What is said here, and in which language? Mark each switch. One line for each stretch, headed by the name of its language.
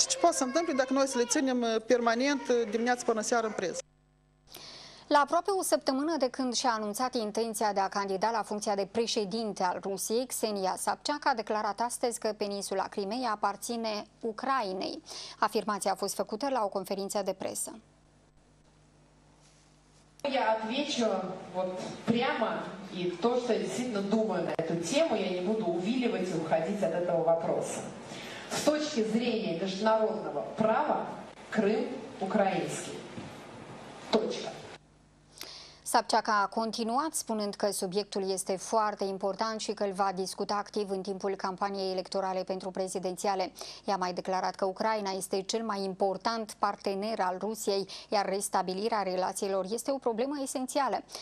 Romanian: Ce poate să întâmple dacă noi să le ținem permanent dimineața până seara în preză? La aproape o săptămână de când și-a anunțat intenția de a candida la funcția de președinte al Rusiei, Xenia Sapceac a declarat astăzi că peninsula Crimeei aparține Ucrainei. Afirmația a fost făcută la o conferință de presă.
Russian: Я отвечу вот прямо и то, что я действительно думаю на эту тему, я не буду увиливать и уходить от этого вопроса. С точки зрения международного права, Крым украинский. Точка.
Romanian: Sapceac a continuat spunând că subiectul este foarte important și că îl va discuta activ în timpul campaniei electorale pentru prezidențiale. Ea a mai declarat că Ucraina este cel mai important partener al Rusiei, iar restabilirea relațiilor este o problemă esențială.